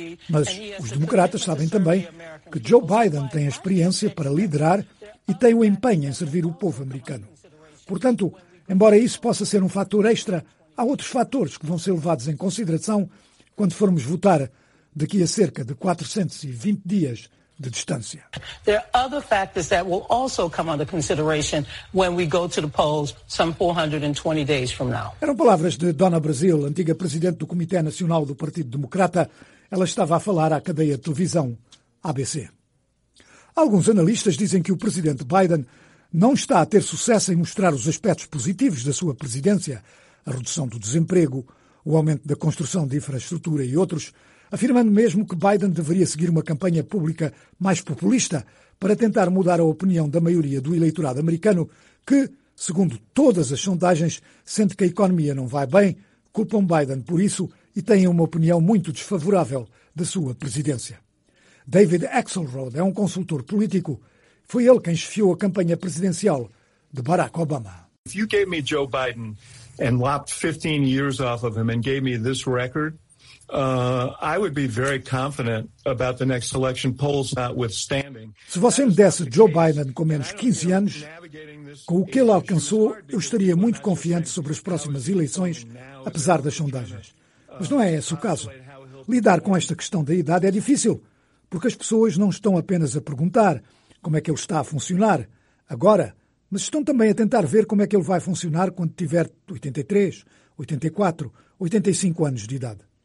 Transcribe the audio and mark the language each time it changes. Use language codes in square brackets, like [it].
[pt] Mas os democratas sabem também que Joe Biden tem a experiência para liderar e tem o empenho em servir o povo americano. Portanto, embora isso possa ser um fator extra, há outros fatores que vão ser levados em consideração quando formos votar daqui a cerca de 420 dias de distância. [en] There are other factors that will also come under consideration when we go to the polls some 420 days from now. [pt] Eram palavras de Donna Brazile, antiga presidente do Comitê Nacional do Partido Democrata. Ela estava a falar à cadeia de televisão ABC. Alguns analistas dizem que o presidente Biden não está a ter sucesso em mostrar os aspectos positivos da sua presidência, a redução do desemprego, o aumento da construção de infraestrutura e outros, afirmando mesmo que Biden deveria seguir uma campanha pública mais populista para tentar mudar a opinião da maioria do eleitorado americano que, segundo todas as sondagens, sente que a economia não vai bem, culpam Biden por isso e têm uma opinião muito desfavorável da sua presidência. David Axelrod é um consultor político. Foi ele quem chefiou a campanha presidencial de Barack Obama. [en] If you gave me Joe Biden and lopped 15 years off of him and gave me this record, I would be very confident about the next election polls notwithstanding. [pt] Se você me desse Joe Biden com menos 15 anos, com o que ele alcançou, eu estaria muito confiante sobre as próximas eleições, apesar das sondagens. Mas não é esse o caso. Lidar com esta questão da idade é difícil, porque as pessoas não estão apenas a perguntar como é que ele está a funcionar agora, mas estão também a tentar ver como é que ele vai funcionar quando tiver 83, 84, 85 anos de idade.